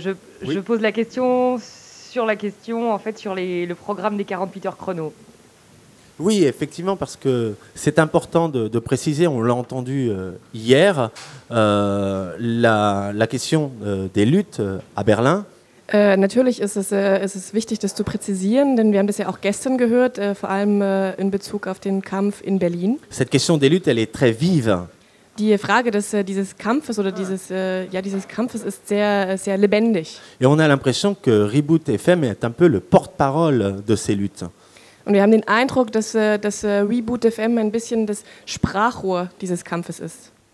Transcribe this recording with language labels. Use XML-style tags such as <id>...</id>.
<fr>je pose la question sur la question, en fait, sur le programme des 48 heures chrono. Oui, effectivement, parce que c'est important de préciser, on l'a entendu hier, la question des luttes à Berlin.</fr> <de>Natürlich ist es wichtig, das zu präzisieren, denn wir haben das ja auch gestern gehört, vor allem in Bezug auf den Kampf in Berlin.</de> <fr>Cette question des luttes, elle est très vive.</fr> <de>Die Frage dieses Kampfes oder dieses Kampfes ist sehr, sehr lebendig.</de> <fr>Et on a l'impression que Reboot FM est un peu le porte-parole de ces luttes.</fr> <de>Und wir haben den Eindruck, dass Reboot FM ein bisschen das Sprachrohr dieses Kampfes ist.</de>